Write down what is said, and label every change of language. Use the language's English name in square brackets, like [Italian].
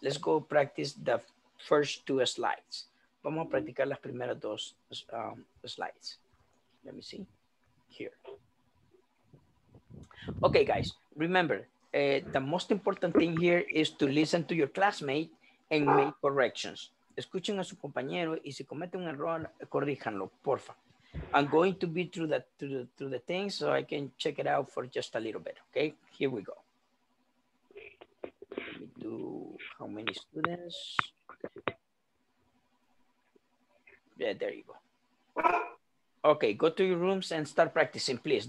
[English] Let's go practice the first two slides. [Spanish] Vamos a practicar las primeras dos slides. [English] Let me see here. Okay, guys, remember, the most important thing here is to listen to your classmate and make corrections. [Spanish] Escuchen a su compañero y si cometen un error, corríjanlo, porfa. [English] I'm going to be through the thing so I can check it out for just a little bit, okay? Here we go. Let me do how many students. Yeah, there you go. Okay, go to your rooms and start practicing, please.